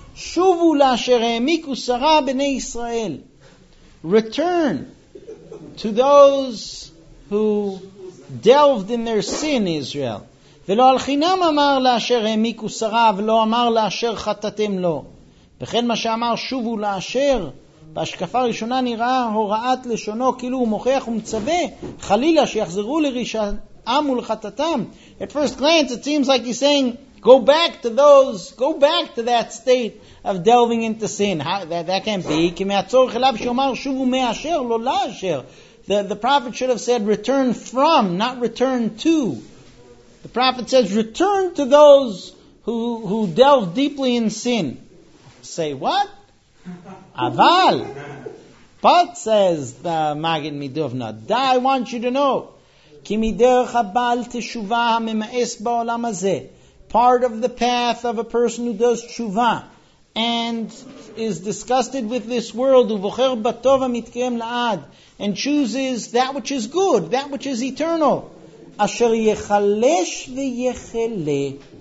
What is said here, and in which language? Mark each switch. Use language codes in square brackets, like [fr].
[he] Shuvu l'asher ha'emiku sarah b'nei Yisrael. [en] Return to those who delved in their sin, Israel. [he] V'lo al chinam amar l'asher ha'emiku sarah, v'lo amar l'asher chatatem lo. V'chen ma she'amar shuvu l'asher, בהשקפה ראשונה נראה הוראת לשונו כאילו הוא מוכיח ומצווה חלילה שיחזרו לרשעם ולחטאתם. [en] At first glance it seems like he's saying go back to that state of delving into sin. That can't be. [he] כי מהצורך אליו שאומר שובו מאשר לא לאשר. [en] The prophet should have said return from, not return to. The prophet says return to those who delve deeply in sin. Say what? Aval, but says the Magen Midovna, I want you to know, [he] ki miderech habal teshuva hamemaes ba'olam hazeh, [en] part of the path of a person who does tshuva and is disgusted with this world, [he] uvocher batov mitkeim la'ad, [en] and chooses that which is good, that which is eternal, [he] asher yechalesh ve'yechele.